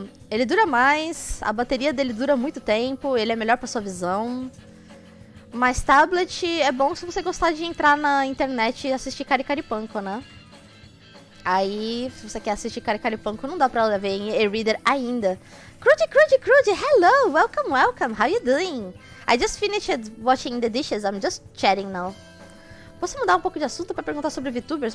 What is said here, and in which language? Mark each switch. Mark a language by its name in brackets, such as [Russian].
[Portuguese] Ele dura mais, a bateria dele dura muito tempo, ele é melhor pra sua visão. Mas tablet é bom se você gostar de entrar na internet e assistir Caricaripanco, né? Aí, se você quer assistir Caricaripanco, não dá pra ver em e-reader ainda. [English] Crude, hello, welcome, how you doing? I just finished watching the dishes, I'm just chatting now. [Portuguese] Posso mudar um pouco de assunto pra perguntar sobre VTubers?